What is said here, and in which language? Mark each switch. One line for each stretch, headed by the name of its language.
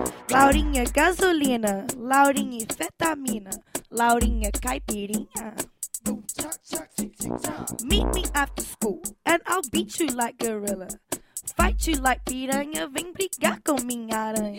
Portuguese: Laurinha gasolina, Laurinha fetamina, Laurinha caipirinha.
English: Meet me after school, and I'll beat you like gorilla. Fight you like piranha,
Portuguese: vem brigar com minha aranha.